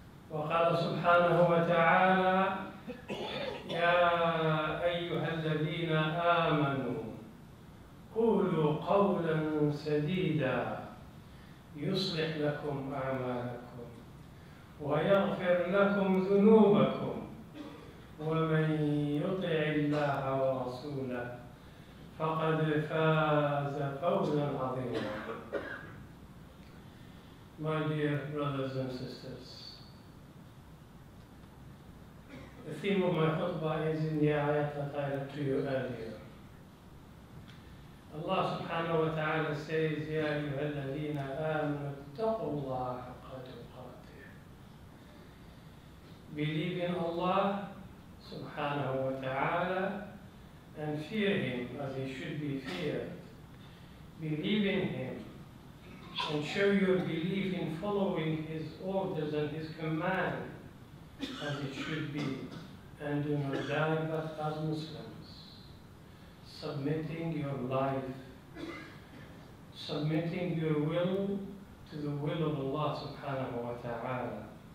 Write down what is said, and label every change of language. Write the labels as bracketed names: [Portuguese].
[Arabic] وقال سبحانه وتعالى: يا أيها الذين آمنوا قولوا قولا سديدا يصلح لكم أعمالكم ويغفر لكم ذنوبكم، ومن يطع الله ورسوله فقد فاز فوزا عظيما. [English] My dear brothers and sisters, the theme of my khutbah is in the ayat that I read to you earlier. [Arabic] Allah subhanahu wa ta'ala says, يَا أَيُّهَا الَّذِينَ آمَنُوا اتَّقُوا اللَّهَ حَقَّ تُقَاتِهِ. [English] Believe in Allah subhanahu wa ta'ala and fear Him as He should be feared. Believe in Him and show your belief in following His orders and His command as it should be, and do not die but as Muslims, submitting your life, submitting your will to the will of Allah subhanahu wa ta'ala.